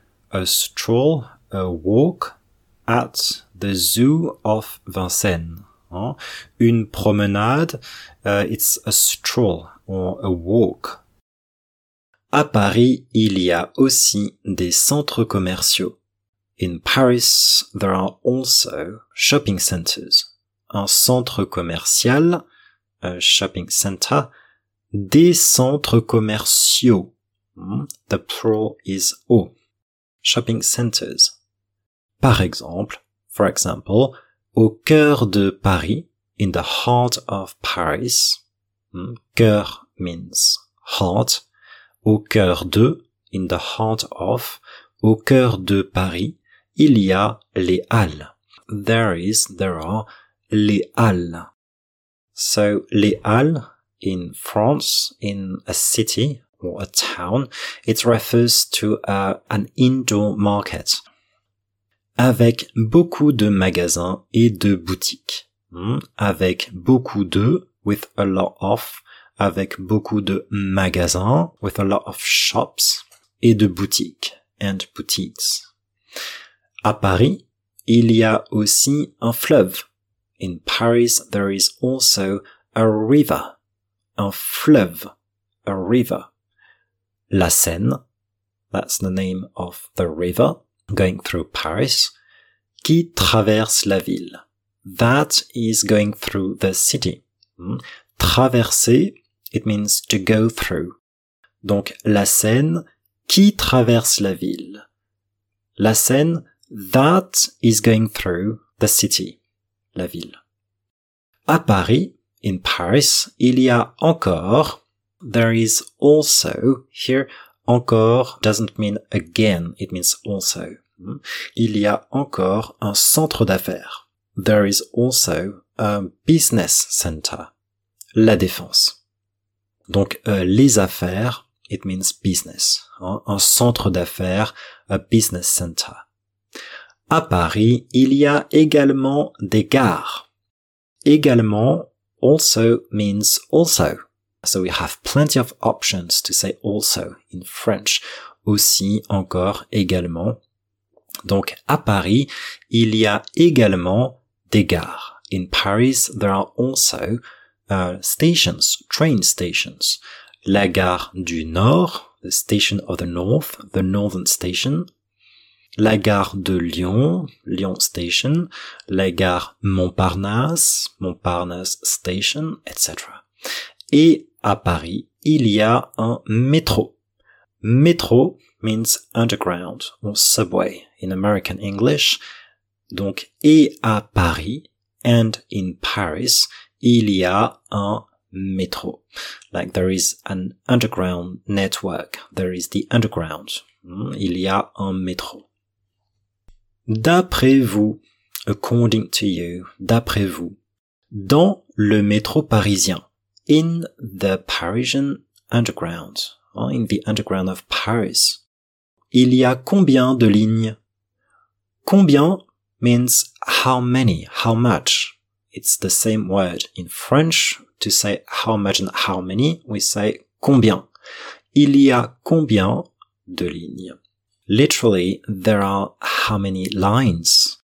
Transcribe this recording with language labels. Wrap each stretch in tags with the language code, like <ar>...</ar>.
<en>A stroll, a walk at the zoo of Vincennes. Une promenade, it's a stroll or a walk.</en> <fr>À Paris, il y a aussi des centres commerciaux.</fr> <en>In Paris, there are also shopping centers.</en> <fr>Un centre commercial,</fr> <en>a shopping center,</en> <fr>des centres commerciaux.</fr> <en>The plural is au. Shopping centers. For example,</en> <fr>au cœur de Paris,</fr> <en>in the heart of Paris,</en> <fr>cœur</fr> <en>means heart,</en> <fr>au cœur de,</fr> <en>in the heart of,</en> <fr>au cœur de Paris, il y a les Halles.</fr> <en>There are les Halles. So, les Halles, in France, in a city or a town, it refers to an indoor market.</en> <fr>Avec beaucoup de magasins et de boutiques. Avec beaucoup de,</fr> <en>with a lot of,</en> <fr>avec beaucoup de magasins,</fr> <en>with a lot of shops,</en> <fr>et de boutiques,</fr> <en>and boutiques.</en> <fr>À Paris, il y a aussi un fleuve.</fr> <en>In Paris, there is also a river.</en> <fr>Un fleuve,</fr> <en>a river. La Seine, that's the name of the river. Going through Paris,</en> <fr>qui traverse la ville.</fr> <en>That is going through the city. Traverser, it means to go through.</en> <fr>Donc, la Seine, qui traverse la ville.</fr> <en>La Seine, that is going through the city, la ville.</en> <fr>À Paris,</fr> <en>in Paris,</en> <fr>il y a encore,</fr> <en>there is also, here, encore doesn't mean again, it means also.</en> <fr>Il y a encore un centre d'affaires.</fr> <en>There is also a business center. La Défense.</en> <fr>Donc, les affaires,</fr> <en>it means business.</en> <fr>Un centre d'affaires,</fr> <en>a business center.</en> <fr>À Paris, il y a également des gares.</fr> <en>Également, also means also. So we have plenty of options to say also in French.</en> <fr>Aussi, encore, également. Donc, à Paris, il y a également des gares.</fr> <en>In Paris, there are also stations, train stations. La gare du Nord, the Station of the North, the Northern Station, la gare de Lyon, Lyon Station, la gare Montparnasse, Montparnasse Station, etc.</en> <fr>Et à Paris, il y a un métro.</fr> <en>Métro means underground or subway in American English.</en> <fr>Donc, et à Paris,</fr> <en>and in Paris,</en> <fr>il y a un métro.</fr> <en>Like there is an underground network. There is the underground.</en> <fr>Il y a un métro. D'après vous,</fr> <en>according to you,</en> <fr>d'après vous, dans le métro parisien,</fr> <en>in the Parisian underground, in the underground of Paris,</en> <fr>il y a combien de lignes?</fr> <en>Combien means how many, how much. It's the same word in French to say how much and how many, we say combien.</en> <fr>Il y a combien de lignes?</fr> <en>Literally, there are how many lines.</en>